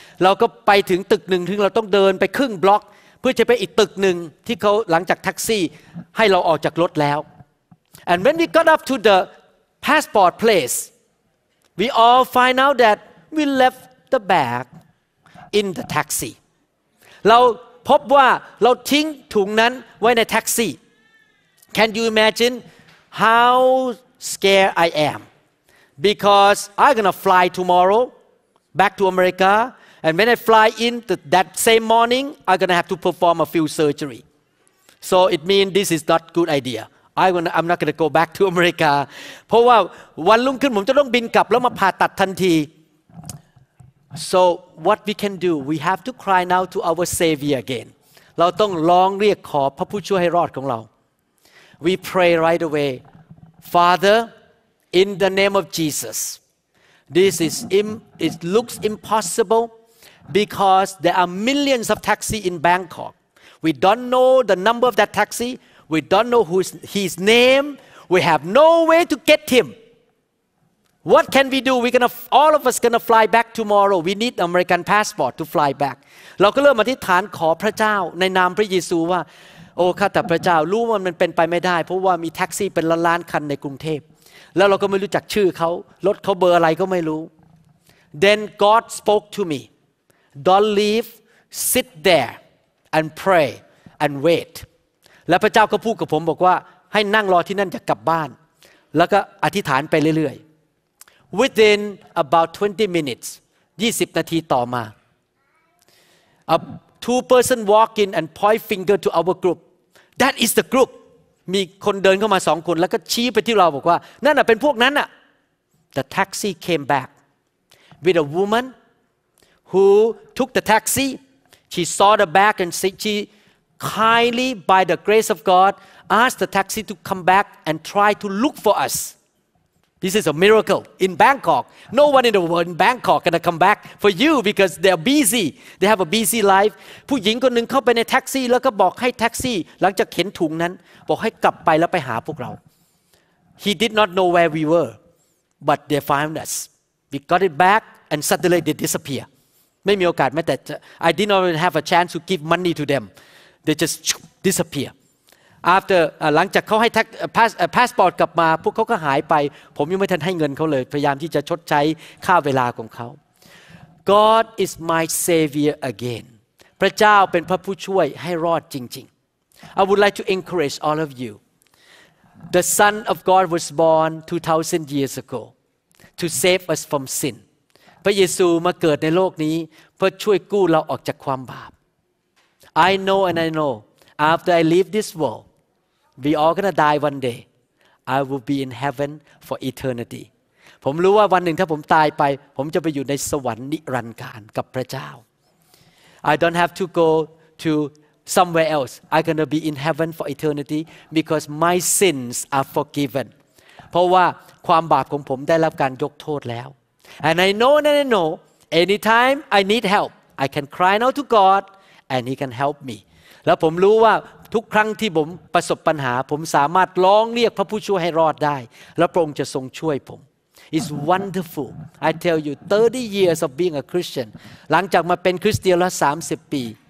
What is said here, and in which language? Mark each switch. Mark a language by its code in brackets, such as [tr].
[th] เราก็ไปถึงตึกหนึ่งที่เราต้องเดินไปครึ่งบล็อกเพื่อจะไปอีกตึกหนึ่งที่เขาหลังจากแท็กซี่ให้เราออกจากรถแล้ว [en] And when we got up to the passport place, we all find out that we left the bag in the taxi. [th] เราพบว่าเราทิ้งถุงนั้นไว้ในแท็กซี่ [en] Can you imagine how scared I am? Because I'm gonna fly tomorrow back to America, and when I fly in that same morning, I'm gonna have to perform a few surgery. So it means this is not good idea. I'm not gonna go back to America. [th] เพราะว่าวันรุ่งขึ้นผมจะต้องบินกลับแล้วมาผ่าตัดทันที [en] So what we can do? We have to cry now to our Savior again. [th] เราต้องร้องเรียกขอพระผู้ช่วยให้รอดของเรา [en] We pray right away, Father, in the name of Jesus. It looks impossible because there are millions of taxi in Bangkok. We don't know the number of that taxi. We don't know who's his name. We have no way to get him. What can we do? All of us gonna fly back tomorrow. We need American passport to fly back. [th] เราก็เริ่มอธิษฐานขอพระเจ้าในนามพระเยซูว่าโอ้ข้าแต่พระเจ้ารู้ว่ามันเป็นไปไม่ได้เพราะว่ามีแท็กซี่เป็นล้านๆคันในกรุงเทพแล้วเราก็ไม่รู้จักชื่อเขารถเขาเบอร์อะไรก็ไม่รู้ [en] Then God spoke to me. Don't leave. Sit there and pray and wait. [th] และพระเจ้าก็พูดกับผมบอกว่าให้นั่งรอที่นั่นอย่ากลับบ้านแล้วก็อธิษฐานไปเรื่อยๆ [en] Within about 20 minutes, [th] 20นาทีต่อมา [en] two person walk in and point finger to our group. That is the group. [th] มีคนเดินเข้ามา2คนแล้วก็ชี้ไปที่เราบอกว่านั่นน่ะเป็นพวกนั้นน่ะ [en] The taxi came back with a woman who took the taxi. She saw the bag and she kindly, by the grace of God, asked the taxi to come back and try to look for us. This is a miracle in Bangkok. No one in the world in Bangkok gonna come back for you because they're busy. They have a busy life. [th] ผู้หญิงคนหนึ่งเข้าไปในแท็กซี่แล้วก็บอกให้แท็กซี่หลังจากเข็นถุงนั้นบอกให้กลับไปแล้วไปหาพวกเรา [en] He did not know where we were, but they found us. We got it back and suddenly they disappear. [th] ไม่มีโอกาสแม้แต่ [en] I did not even have a chance to give money to them. They just disappear. After [th] หลังจากเขาให้ passport กลับมาพวกเขาก็หายไปผมยังไม่ทันให้เงินเขาเลยพยายามที่จะชดใช้ค่าเวลาของเขา [en] God is my savior again [th] พระเจ้าเป็นพระผู้ช่วยให้รอดจริง [en] ๆ I would like to encourage all of you the son of God was born 2000 years ago to save us from sin [th] พระเยซูมาเกิดในโลกนี้เพื่อช่วยกู้เราออกจากความบาป [en] I know and I knowAfter I leave this world, we all gonna die one day. I will be in heaven for eternity. [th] ผมรู้ว่าวันหนึ่งถ้าผมตายไปผมจะไปอยู่ในสวรรค์นิรันดร์กาลกับพระเจ้า [en] I don't have to go to somewhere else. I gonna be in heaven for eternity because my sins are forgiven. [th] เพราะว่าความบาปของผมได้รับการยกโทษแล้ว [en] And I know and I know anytime I need help, I can cry out to God and He can help me. [th] แล้วผมรู้ว่าทุกครั้งที่ผมประสบปัญหาผมสามารถร้องเรียกพระผู้ช่วยให้รอดได้แล้วพระองค์จะทรงช่วยผม [en] It's wonderful I tell you 30 years of being a Christian [th] หลังจากมาเป็นคริสเตียนแล้ว30ปี